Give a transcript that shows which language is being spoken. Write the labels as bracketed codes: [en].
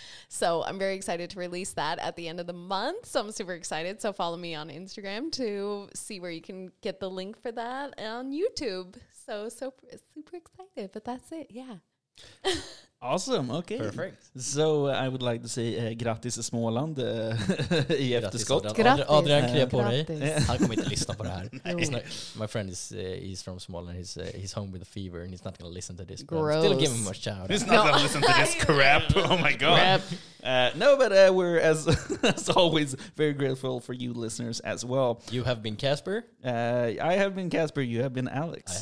[en] So I'm very excited to release that at the end of the month. So I'm super excited. So follow me on Instagram to see where you can get the link for that on YouTube. So super excited. But that's it. Yeah. Awesome. Okay. Perfect. So I would like to say [sv] grattis I Småland. Grattis. Adrian Kria på dig. Han kommer inte lyssna på det här. [en] My friend is from Småland. He's home with a fever and he's not going to listen to this. Gross. Still give him a shout. He's not going to listen to this crap. Oh my God. Crap. We're as always very grateful for you listeners as well. You have been Casper. I have been Casper. You have been Alex.